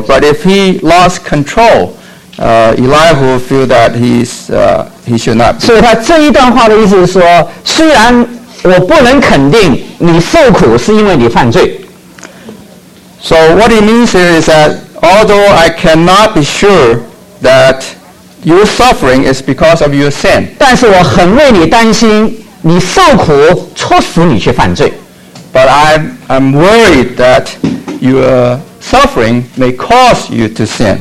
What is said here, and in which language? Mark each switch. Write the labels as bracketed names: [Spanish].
[English] But if he lost control, Elihu feel that he should not be. [Chinese] 所以他这一段话的意思是说，虽然我不能肯定你受苦是因为你犯罪。 [English] So what he means here is that although I cannot be sure that Your suffering is because of your sin. [Chinese] 但是我很为你担心，你受苦促使你去犯罪。 [English] But I'm worried that your suffering may cause you to sin.